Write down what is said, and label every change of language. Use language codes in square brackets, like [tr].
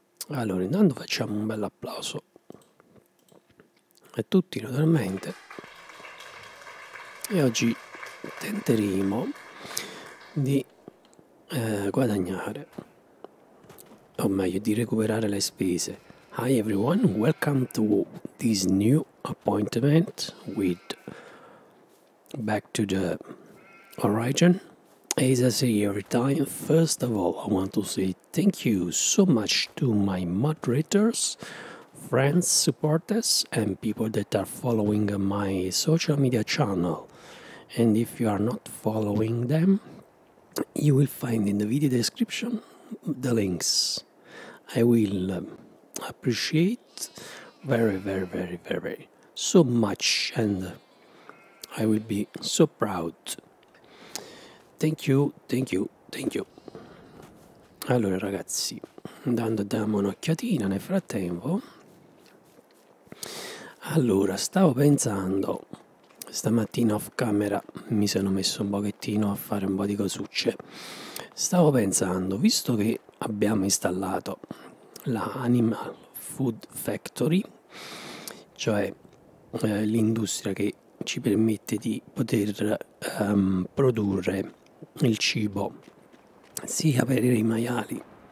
[it] Allora, intanto facciamo un bel applauso a tutti, naturalmente. E oggi tenteremo di guadagnare, o meglio, di recuperare le spese. [en] Hi everyone, welcome to this new appointment with Back to the Origin. As I say every time, first of all, I want to say thank you so much to my moderators, friends, supporters, and people that are following my social media channel. And if you are not following them, you will find in the video description the links. I will appreciate very, very, very, very so much, and I will be so proud. Thank you, thank you, thank you. [it] Allora, ragazzi, andando diamo un'occhiatina nel frattempo. Allora, stavo pensando, stamattina off camera mi sono messo un pochettino a fare un po' di cosucce. Stavo pensando, visto che abbiamo installato la Animal Food Factory, cioè l'industria che ci permette di poter produrre il cibo sia per i maiali